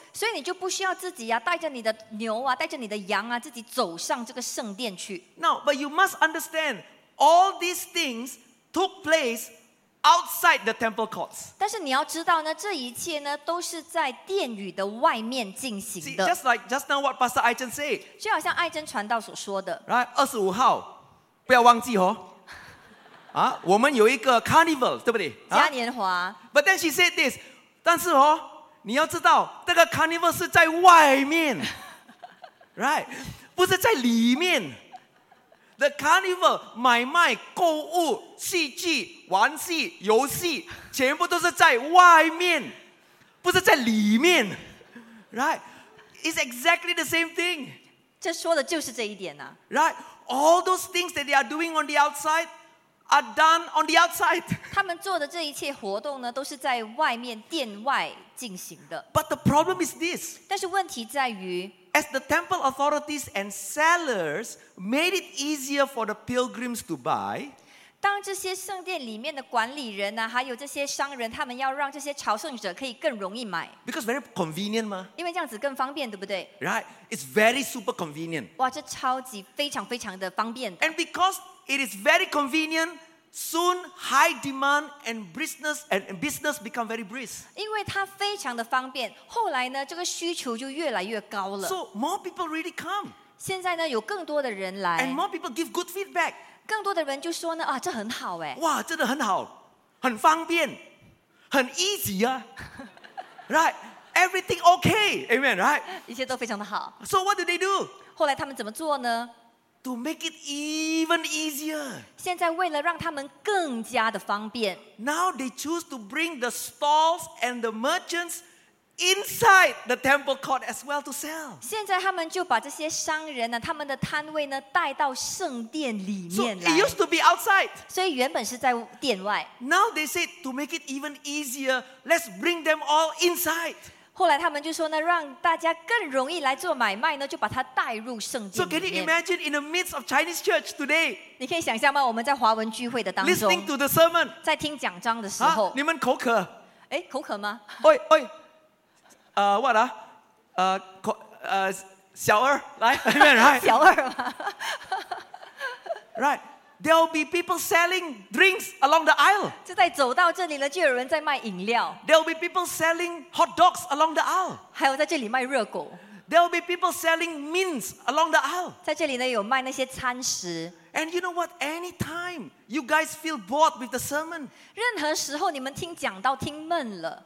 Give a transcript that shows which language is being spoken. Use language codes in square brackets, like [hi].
[zh] 所以你就不需要自己啊，带着你的牛啊，带着你的羊啊，自己走上这个圣殿去。 [en] Now, but you must understand, all these things took place. Outside the temple courts. [zh] 但是你要知道呢，这一切呢都是在殿宇的外面进行的。 [en] See, just like just now what Pastor Ai Chen said. [zh] 就好像爱珍传道所说的。 Right, 25号，不要忘记哦。啊，我们有一个 carnival， 对不对？嘉年华。 [en] But then she said this. [zh] 但是哦，你要知道，这个 carnival 是在外面。 Right, 不是在里面。The carnival, 买卖、购物、戏剧、玩戏、游戏，全部都是在外面，不是在里面 ，right? [en] It's exactly the same thing. [zh] 这说的就是这一点呐、啊、 [en] ，right? All those things that they are doing on the outside are done on the outside. [zh] 他们做的这一切活动呢，都是在外面殿外进行的。 [en] But the problem is this. [zh] 但是问题在于。 [en] As the temple authorities and sellers made it easier for the pilgrims to buy, [zh] 当这些圣殿里面的管理人呢、啊，还有这些商人，他们要让这些朝圣者可以更容易买 [en] ，because very convenient 吗？ [zh] 因为这样子更方便，对不对 [en] ？Right, it's very super convenient. [zh] 哇，这超级非常非常的方便的。 [en] And because it is very convenient. Soon, high demand and business become very brisk. [zh] 因为它非常的方便，后来呢，这个需求就越来越高了。 [en] So more people really come. [zh] 现在呢，有更多的人来。 [en] And more people give good feedback. [zh] 更多的人就说呢，啊，这很好哎。哇，真的很好，很方便，很 easy 啊。 [en] Right, everything okay, amen. Right, [zh] 一切都非常的好。 [en] So what do they do? [zh] 后来他们怎么做呢？ [en] To make it even easier. [zh] 现在为了让他们更加的方便。 [en] Now they choose to bring the stalls and the merchants inside the temple court as well to sell. [zh] 现在他们就把这些商人呢，他们的摊位呢，带到圣殿里面 [en] 来。So it used to be outside. [zh] 所以原本是在殿外。 [en] Now they said to make it even easier, let's bring them all inside. [zh] 后来他们就说呢，让大家更容易来做买卖呢，就把它带入圣殿里 [en] 面。So can you imagine in the midst of Chinese church today? [zh] 你可以想象吗？我们在华文聚会的当中 [en] ，listening to the sermon， [zh] 在听讲章的时候，啊、你们口渴？哎，口渴吗？喂喂，what 啊？小二来 ，Amen， right？小二吗 [en] ？Right， there will be people selling drinks along the aisle. [zh] 就在走到这里了，就有人在卖饮料。 [en] There will be people selling hot dogs along the aisle. [zh] 还有在这里卖热狗。 [en] There will be people selling mints along the aisle. [zh] 在这里呢，有卖那些餐食。 [en] And you know what? Anytime you guys feel bored with the sermon, [zh] 任何时候你们听讲到听闷了